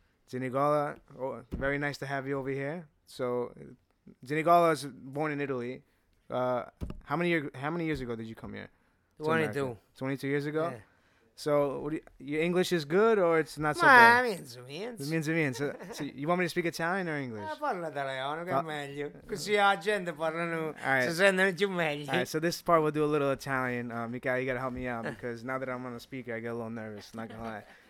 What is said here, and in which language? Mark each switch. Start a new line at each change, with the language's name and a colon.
English: Gio Nigola, oh, very nice to have you over here. So Gio Nigola is born in Italy. How many years ago did you come here? 22. 22 years ago? Yeah. So, your English is good or it's not so good? It means. So, you want me to speak Italian or English?
Italian: Parla italiano, che meglio. Così la gente parlano, si sentono più meglio.
English: All right, so this part we'll do a little Italian. Mikael, you got to help me out because now that I'm on the speaker, I get a little nervous, not going to lie.